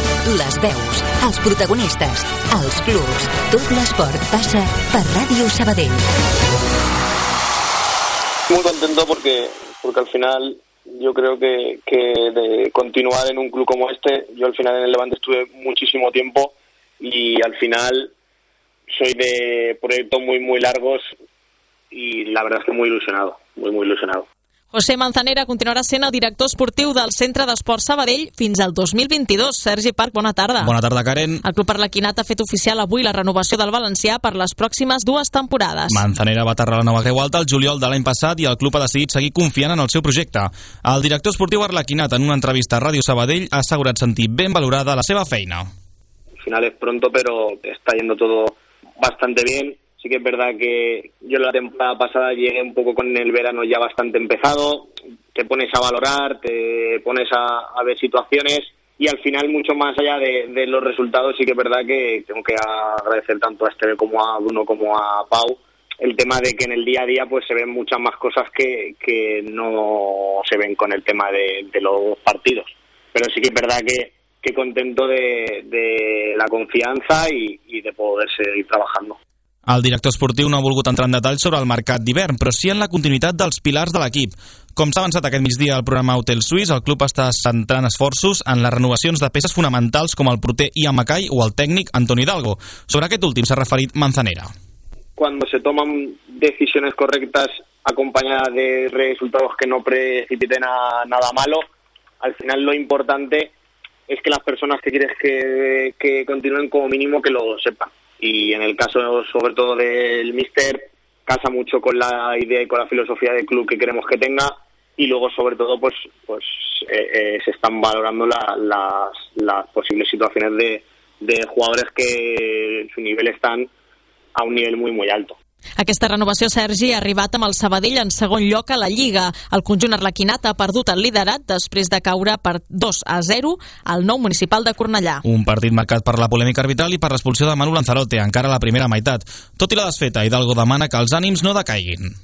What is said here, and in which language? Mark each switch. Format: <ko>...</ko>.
<ca>Les veus, els protagonistes, els clubs, tot l'esport passa per Ràdio Sabadell.</ca> <es>Muy contento porque al final yo creo que de continuar en un club como este, yo al final en el Levante estuve muchísimo tiempo y al final soy de proyectos muy muy largos y la verdad es que muy ilusionado.</es> <ca>José Manzanera continuarà sent el director esportiu del Centre d'Esport Sabadell fins al 2022. Sergi Parc, bona tarda. Bona tarda, Karen. El club arlequinat ha fet oficial avui la renovació del valencià per les pròximes dues temporades. Manzanera va aterrar la nova creu alta el juliol de l'any passat i el club ha decidit seguir confiant en el seu projecte. El director esportiu arlequinat, en una entrevista a Ràdio Sabadell, ha assegurat sentir ben valorada la seva feina.</ca> <es>Al final es pronto, pero está yendo todo bastante bien. Sí que es verdad que yo la temporada pasada llegué un poco con el verano ya bastante empezado. Te pones a valorar, te pones a ver situaciones y al final, mucho más allá de los resultados, sí que es verdad que tengo que agradecer tanto a Esteve como a Bruno como a Pau el tema de que en el día a día pues se ven muchas más cosas que no se ven con el tema de los partidos. Pero sí que es verdad que contento de la confianza y de poder seguir trabajando.</es> <ca>El director esportiu no ha volgut entrar en detalls sobre el mercat d'hivern, però sí en la continuïtat dels pilars de l'equip. Com s'ha avançat aquest migdia al programa Hotel Suís, el club està centrant esforços en les renovacions de peces fonamentals com el porter Ian Mackay o el tècnic Antoni Hidalgo. Sobre aquest últim s'ha referit Manzanera. Quan se tomen decisions correctes acompanyades de resultats que no precipiten</ca> <es>a nada malo, al final lo importante es que las personas que quieres que continúen como mínimo que lo sepan. Y en el caso sobre todo del míster, casa mucho con la idea y con la filosofía del club que queremos que tenga. Y luego sobre todo pues se están valorando las posibles situaciones de jugadores que su nivel están a un nivel muy muy alto.</es> <ca>Aquesta renovació, Sergi, ha arribat amb el Sabadell en segon lloc a la Lliga. El conjunt arlequinat ha perdut el liderat després de caure per 2-0 al Nou Municipal de Cornellà. Un partit marcat per la polèmica arbitral i per l'expulsió de Manu Lanzarote, encara la primera meitat. Tot i la desfeta, Hidalgo demana que els ànims no decaiguin.</ca>